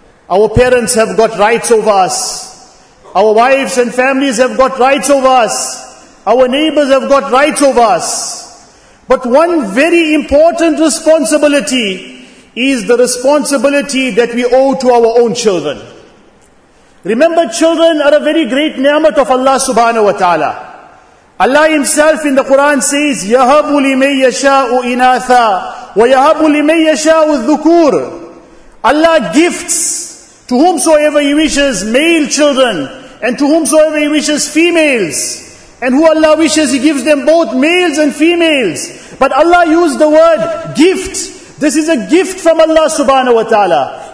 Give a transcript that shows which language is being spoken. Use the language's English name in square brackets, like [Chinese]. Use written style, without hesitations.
[English] Our parents have got rights over us. Our wives and families have got rights over us. Our neighbors have got rights over us. But one very important responsibility is the responsibility that we owe to our own children. Remember, children are a very great ni'mat of Allah subhanahu wa ta'ala. Allah Himself in the Quran says, [Arabic] يَهَبُ لِمَنْ يَشَاءُ إِنَاثًا وَيَهَبُ لِمَنْ يَشَاءُ الذُّكُورُ. [English] Allah gifts to whomsoever He wishes male children and to whomsoever He wishes females. And who Allah wishes, He gives them both males and females. But Allah used the word gift. This is a gift from Allah subhanahu wa ta'ala.